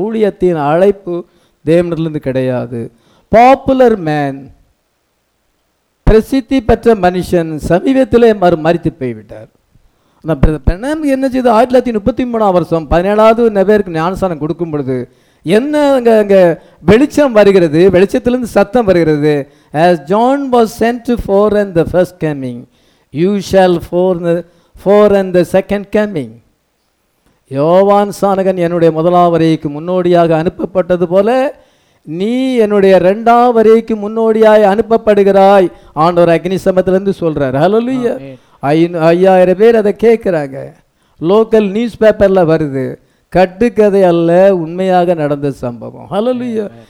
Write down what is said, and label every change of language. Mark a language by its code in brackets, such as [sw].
[ta] ஊழியத்தின் அழைப்பு தேவனிலிருந்து கிடையாது. பாப்புலர் மேன், பிரசித்தி பெற்ற மனுஷன், சமீபத்திலே மரித்து போய்விட்டார். ஆனால் பிரணாமுக்கு என்ன செய்து 1933 17வது ஞானஸ்தானம் கொடுக்கும் பொழுது என்ன அங்கே அங்கே வெளிச்சம் வருகிறது, வெளிச்சத்திலிருந்து சத்தம் வருகிறது. [en] As John was sent to forerun the first coming, you shall forerun the second coming. [ta] யோவான் சானகன் என்னுடைய முதலாவரைக்கு முன்னோடியாக அனுப்பப்பட்டது போல நீ என்னுடைய ரெண்டாவரைக்கு முன்னோடியாய் அனுப்பப்படுகிறாய். ஆண்டவர் அக்னி சமத்திலிருந்து சொல்கிறார். ஹல்லேலூயா. 5,000 பேர் அதை கேட்குறாங்க. லோக்கல் நியூஸ் பேப்பரில் வருது. கட்டுக்கதை அல்ல, உண்மையாக நடந்த சம்பவம். ஹல்லேலூயா.